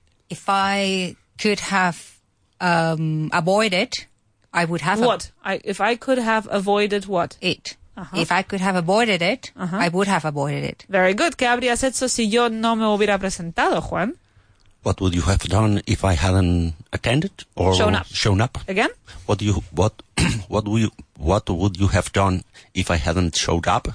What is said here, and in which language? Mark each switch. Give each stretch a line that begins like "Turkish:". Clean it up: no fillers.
English: If I could have avoided, I would have... What? If I could have avoided what? It. Uh-huh. If I could have avoided it, I would have avoided it. Very good.
Spanish: ¿Qué habrías hecho si yo no me hubiera presentado, Juan?
English: What would you have done if I hadn't attended or shown up? Again? What would you have done if I hadn't showed up?